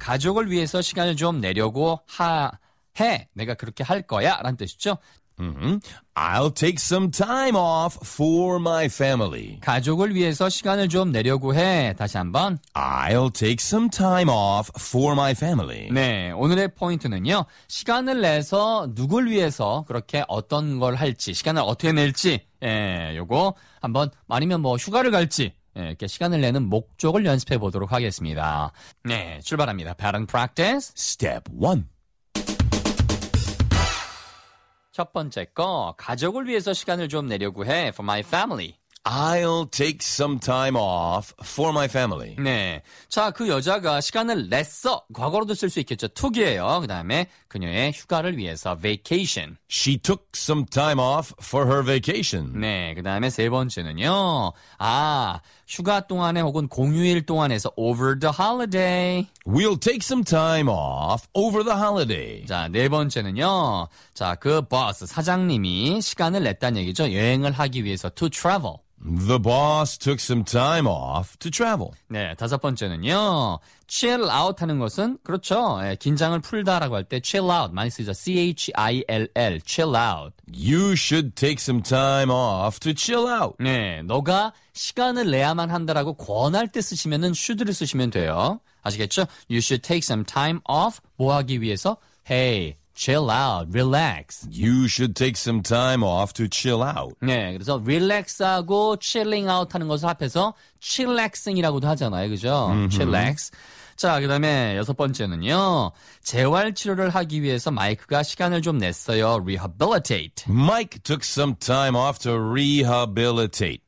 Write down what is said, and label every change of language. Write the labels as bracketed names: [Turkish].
[Korean] 가족을 위해서 시간을 좀 내려고 해. 내가 그렇게 할 거야. 라는 뜻이죠. [English] I'll take some time off for my family. [Korean] 가족을 위해서 시간을 좀 내려고 해. 다시 한번. [English] I'll take some time off for my family. [Korean] 네, 오늘의 포인트는요. 시간을 내서 누굴 위해서 그렇게 어떤 걸 할지, 시간을 어떻게 낼지, 예, 요거 한번, 아니면 뭐 휴가를 갈지, 예, 이렇게 시간을 내는 목적을 연습해 보도록 하겠습니다. 네, 출발합니다. [English] Pattern practice. [Korean] Step 1. 첫 번째 거, 가족을 위해서 시간을 좀 내려고 해, [English] for my family. I'll take some time off for my family. [Korean] 네, 자, 그 여자가 시간을 냈어, 과거로도 쓸 수 있겠죠, took이에요. 그 다음에 그녀의 휴가를 위해서, vacation. [English] She took some time off for her vacation. [Korean] 네, 그 다음에 세 번째는요, 아, 휴가 동안에 혹은 공휴일 동안에서 [English] over the holiday. We'll take some time off over the holiday. [Korean] 자, 네 번째는요. 자, 그 boss, 사장님이 시간을 냈다는 얘기죠. 여행을 하기 위해서 [English] to travel. The boss took some time off to travel. [Korean] 네, 다섯 번째는요. chill out 하는 것은, 그렇죠. 예, 긴장을 풀다라고 할 때 chill out 많이 쓰죠. C-H-I-L-L, chill out. [English] You should take some time off to chill out. [Korean] 네, 너가 시간을 내야만 한다라고 권할 때 쓰시면은 should를 쓰시면 돼요. 아시겠죠? [English] You should take some time off. [Korean] 뭐 하기 위해서? Hey, chill out, relax. [English] You should take some time off to chill out. [Korean] 네, 그래서 relax하고 chilling out 하는 것을 합해서 chillaxing이라고도 하잖아요. 그죠? Chillax. 자, 그 다음에 여섯 번째는요. 재활치료를 하기 위해서 마이크가 시간을 좀 냈어요. [English] Rehabilitate. Mike took some time off to rehabilitate.